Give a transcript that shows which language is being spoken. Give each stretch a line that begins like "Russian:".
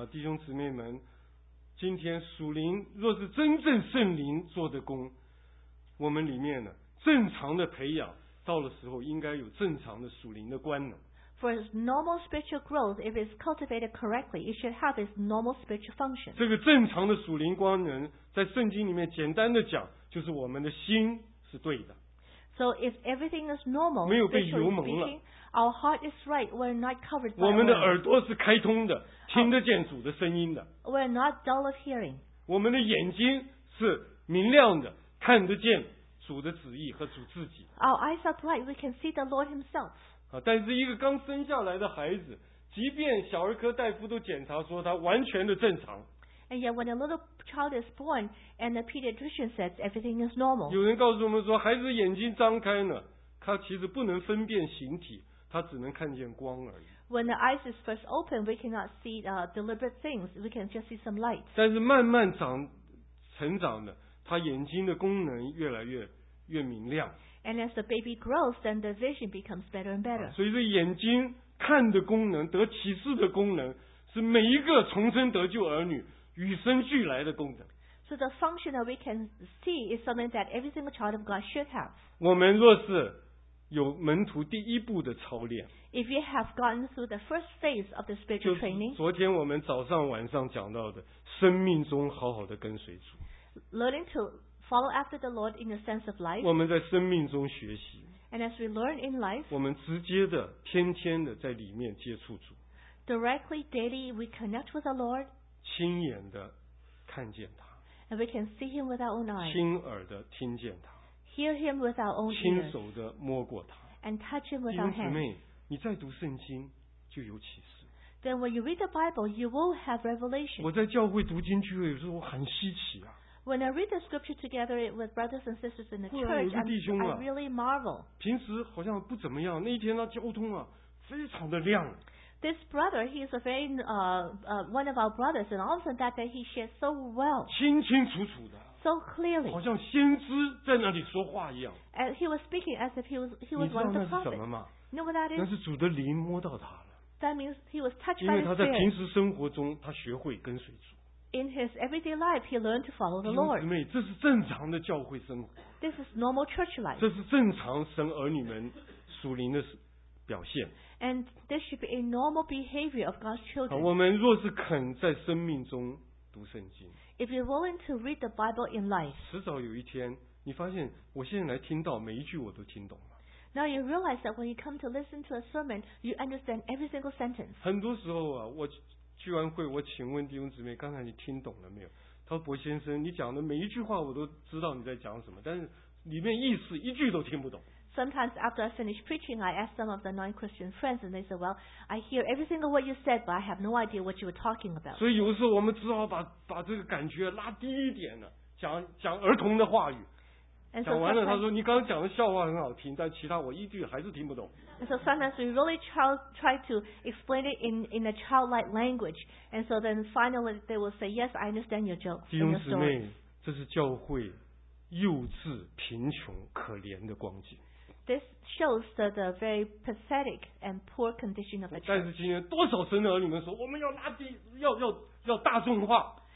Chinese: 啊，弟兄姊妹们，今天属灵若是真正圣灵做的工。我们里面呢，正常的培养到了时候应该有正常的属灵的官能。
English: For its normal spiritual growth, if it's cultivated correctly, it should have its normal spiritual function.
Chinese: 这个正常的属灵官能，在圣经里面简单的讲，就是我们的心是对的。
English: So if everything is normal,
Chinese: 没有被油蒙了。
English: Our heart is right, we're not covered by
Chinese: 我们的耳朵是开通的，听得见主的声音的。
English: We're not dull of hearing.
Chinese: 我们的眼睛是明亮的。看得见主的旨意和主自己。
English: Our eyes are bright, we can see the Lord Himself.
Chinese: 但是一个刚生下来的孩子，即便小儿科大夫都检查说他完全的正常。
English: And yet, when a little child is born, and the pediatrician says everything is normal.
Chinese: 有人告诉我们说，孩子眼睛张开呢，他其实不能分辨形体，他只能看见光而已。
English: When the eyes is first open, we cannot see deliberate things. We can just see some light.
Chinese: 但是慢慢成长的。他眼睛的功能越来越明亮。
English: And as the baby grows, then the vision becomes better and better.
Chinese: 所以这眼睛看的功能、得启示的功能，是每一个重生得救儿女与生俱来的功能。
English: So the function that we can see is something that every single child of God should have.
Chinese: 我们若是有门徒第一步的操练。
English: If you have gone through the first phase of the spiritual training,
Chinese: 昨天我们早上晚上讲到的，生命中好好的跟随主。
English: Learning to follow after the Lord in your sense of life.
Chinese: 我们在生命中学习。
English: And as we learn in life,
Chinese: 我们直接的、天天的在里面接触主。
English: Directly, daily, we connect with the Lord.
Chinese: 亲眼的看见他。
English: And we can see him with our own eyes.
Chinese: 亲耳的听见他。
English: Hear him with our own ears.
Chinese: 亲手的摸过他。
English: And touch him with our hands.
Chinese: 弟兄姊妹，你在读圣经就有启示。
English: Then when you read the Bible, you will have revelation.
Chinese: 我在教会读经聚会，有时候我很稀奇啊。
English: When I read the scripture together with brothers and sisters in the church, I really marvel.
Chinese: 平时好像不怎么样，那一天呢，交通啊，非常的亮。
English: This brother, he is a very one of our brothers, and all of a sudden that day he shared so well.
Chinese: 清清楚楚的。
English: So clearly.
Chinese: 好像先知在那里说话一样。
English: And he was speaking as if he was one of the prophets.
Chinese: 你知道那是什么吗？
English: You know what that is?
Chinese: 那是主的灵摸到他了。
English: That means he was touched by the
Chinese: Spirit. 因为他在平时生活中，他学会跟随主。
English: In his everyday life, he learned to follow the Lord.
Chinese: 弟兄姊妹，这是正常的教会生活。
English: This is normal church life.
Chinese: 这是正常神儿女们属灵的表现。
English: And this should be a normal behavior of God's children.
Chinese: 我们若是肯在生命中读圣经，
English: If you're willing to read the Bible in life,
Chinese: 迟早有一天，你发现我现在来听到每一句我都听懂了。
English: Now you realize that when you come to listen to a sermon, you understand every single sentence.
Chinese: 很多时候啊，我聚完会，我请问弟兄姊妹，刚才你听懂了没有？他说：“伯先生，你讲的每一句话我都知道你在讲什么，但是里面意思一句都听不懂。”
English: Sometimes after I finish preaching, I ask some of the non-Christian friends, and they say, "Well, I hear every single word you said, but I have no idea what you were talking about."
Chinese: 所以有时候我们只好把这个感觉拉低一点了，讲儿童的话语。
English: And、
Chinese: 讲完了、
English: so、
Chinese: 他说你刚刚讲的笑话很好听，但其他我一句还是听不懂。
English: And so sometimes we really try to explain it in a childlike language. And so then finally they will say, yes, I understand your joke.
Chinese: 弟兄姊妹，这是教会幼稚贫穷可怜的光景。
English: This shows the very pathetic and poor condition of the church.
Chinese: 但是今天多少神的儿女们说我们要拉低，要大众化。